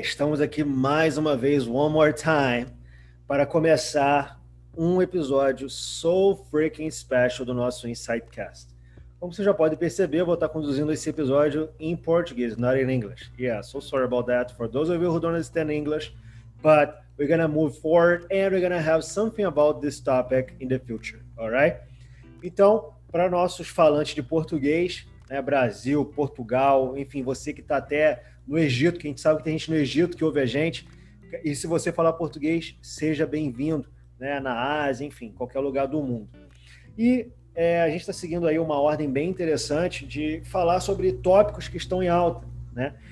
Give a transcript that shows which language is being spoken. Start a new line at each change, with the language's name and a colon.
Portuguese: Estamos aqui mais uma vez,
English: one more time,
Portuguese: para começar um episódio
English: so freaking special
Portuguese: do nosso InsightCast. Como você já pode perceber, eu vou estar conduzindo esse episódio em português,
English: not in English. Yeah, so sorry about that for those of you who don't understand English, but we're going to move forward and we're going to have something about this topic in the future, alright?
Portuguese: Então, para nossos falantes de português, né, Brasil, Portugal, enfim, você que está até no Egito, que a gente sabe que tem gente no Egito que ouve a gente, e se você falar português, seja bem-vindo, né, na Ásia, enfim, qualquer lugar do mundo. E a gente está seguindo aí uma ordem bem interessante de falar sobre tópicos que estão em alta, né?